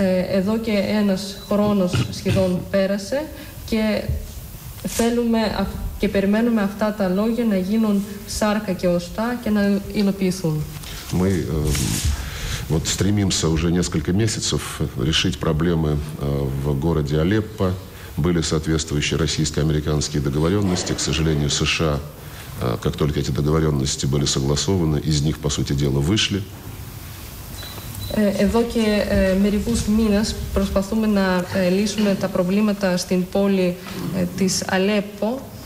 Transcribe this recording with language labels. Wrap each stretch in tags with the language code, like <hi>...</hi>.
<el>Εδώ και ένας χρόνος σχεδόν πέρασε και θέλουμε και περιμένουμε αυτά τα λόγια να γίνουν σάρκα και οστά και να υλοποιηθούν.</el> <ru>Мы вот стремимся уже несколько месяцев решить проблемы в городе Алеппо. Были соответствующие российско-американские договоренности. К сожалению, США, как только эти договоренности были согласованы, из них, по сути дела, вышли.</ru> <el>Εδώ και μερικούς μήνες προσπαθούμε να λύσουμε τα προβλήματα στην πόλη της Αλέπο.</el>